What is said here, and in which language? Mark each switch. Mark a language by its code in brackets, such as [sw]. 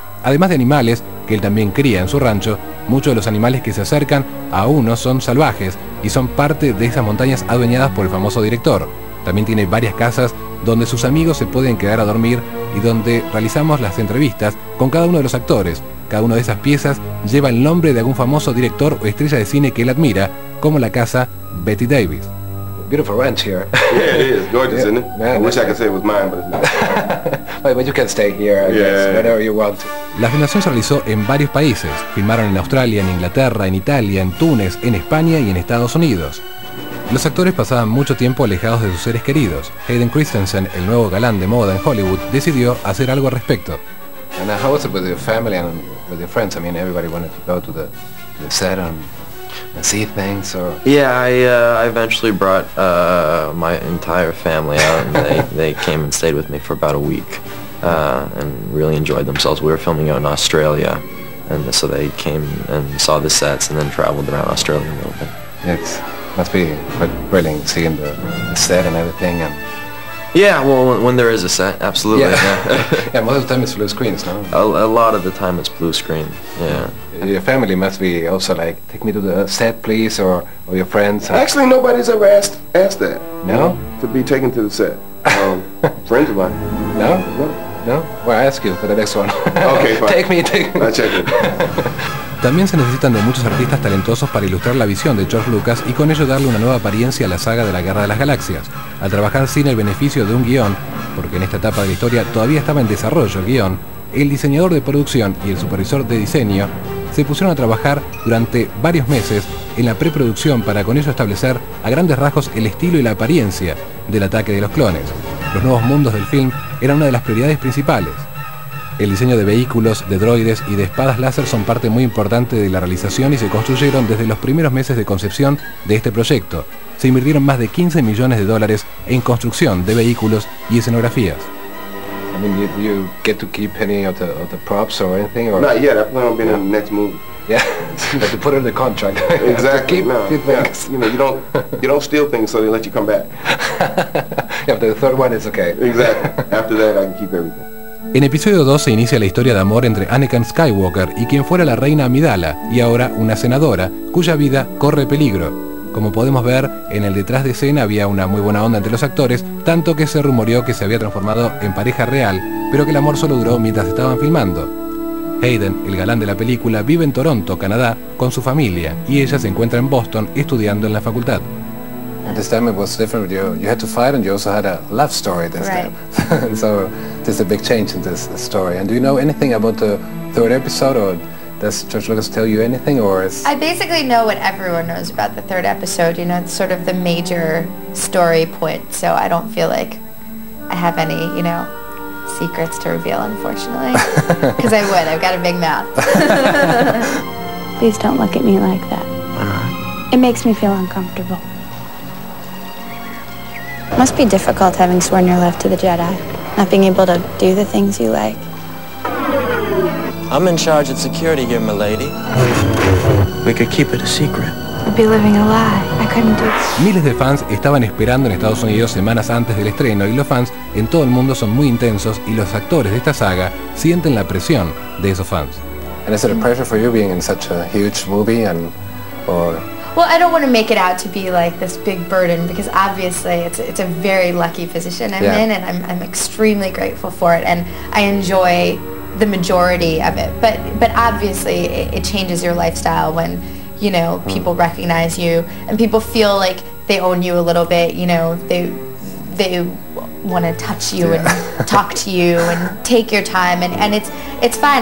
[es] Además de animales, que él también cría en su rancho, muchos de los animales que se acercan a uno son salvajes y son parte de esas montañas adueñadas por el famoso director. También tiene varias casas donde sus amigos se pueden quedar a dormir y donde realizamos las entrevistas con cada uno de los actores. Cada una de esas piezas lleva el nombre de algún famoso director o estrella de cine que él admira, como la casa Betty Davis. [en] Beautiful ranch here. Yeah, it is. Gorgeous, yeah. Isn't it? Man, I wish I could say it was mine, but it's not. But you can stay here, I guess, whenever you want. [es] La filmación se realizó en varios países. Filmaron en Australia, en Inglaterra, en Italia, en Túnez, en España y en Estados Unidos. Los actores pasaban mucho tiempo alejados de sus seres queridos. Hayden Christensen, el nuevo galán de moda en Hollywood, decidió hacer algo al respecto. [en] And how was it with your family and with your friends? I mean, everybody wanted to go to the set and see things, or I eventually brought my entire family out, and they came and stayed with me for about a week, and really enjoyed themselves. We were filming out in Australia, and so they came and saw the sets, and then traveled around Australia a little bit. It must be quite thrilling seeing the set and everything. And yeah, well, when there is a set, absolutely. Yeah, yeah, most of the time it's blue screens, no? A lot of the time it's blue screen, yeah. Your family must be also like, take me to the set, please, or your friends. Actually, nobody's ever asked that. No? To be taken to the set. friends of mine. No? No? Well, I ask you for the next one. Okay, fine. Take me. I'll check it. [es] También se necesitan de muchos artistas talentosos para ilustrar la visión de George Lucas y con ello darle una nueva apariencia a la saga de la Guerra de las Galaxias. Al trabajar sin el beneficio de un guión, porque en esta etapa de la historia todavía estaba en desarrollo el guión, el diseñador de producción y el supervisor de diseño se pusieron a trabajar durante varios meses en la preproducción para con ello establecer a grandes rasgos el estilo y la apariencia del ataque de los clones. Los nuevos mundos del film eran una de las prioridades principales. El diseño de vehículos, de droides y de espadas láser son parte muy importante de la realización y se construyeron desde los primeros meses de concepción de este proyecto. Se invirtieron más de 15 millones de dólares en construcción de vehículos y escenografías. [en] I mean, you get to keep any of the props or anything? Or? Not yet, I plan on being in the next movie. Yeah, to put it in the contract. Exactly. Keep, no. Keep things. Yeah. You know, you don't steal things, so they let you come back. Yeah, but the third one is okay. Exactly. After that, I can keep everything. [es] En episodio 2 se inicia la historia de amor entre Anakin Skywalker y quien fuera la reina Amidala, y ahora una senadora, cuya vida corre peligro. Como podemos ver, en el detrás de escena había una muy buena onda entre los actores, tanto que se rumoreó que se había transformado en pareja real, pero que el amor solo duró mientras estaban filmando. Hayden, el galán de la película, vive en Toronto, Canadá, con su familia, y ella se encuentra en Boston estudiando en la facultad. [en] This time it was different with you. You had to fight and you also had a love story this right. time. So there's a big change in this story. And do you know anything about the third episode, or does George Lucas tell you anything, or is... I basically know what everyone knows about the third episode. You know, it's sort of the major story point, so I don't feel like I have any, you know, secrets to reveal, unfortunately. Because I would. I've got a big mouth. Please don't look at me like that. It makes me feel uncomfortable. Must be difficult having sworn your love to the Jedi, not being able to do the things you like. I'm in charge of security here, m'lady. We could keep it a secret. I'd be living a lie. I couldn't do this. [es] Miles de fans estaban esperando en Estados Unidos semanas antes del estreno, y los fans en todo el mundo son muy intensos, y los actores de esta saga sienten la presión de esos fans. [en] And is it a pressure for you being in such a huge movie and or? Well, I don't want to make it out to be like this big burden, because obviously it's a very lucky position I'm in, and I'm extremely grateful for it, and I enjoy the majority of it. But obviously it changes your lifestyle when, you know, people recognize you and people feel like they own you a little bit, you know, they want to touch you and talk to you and take your time, and it's fine.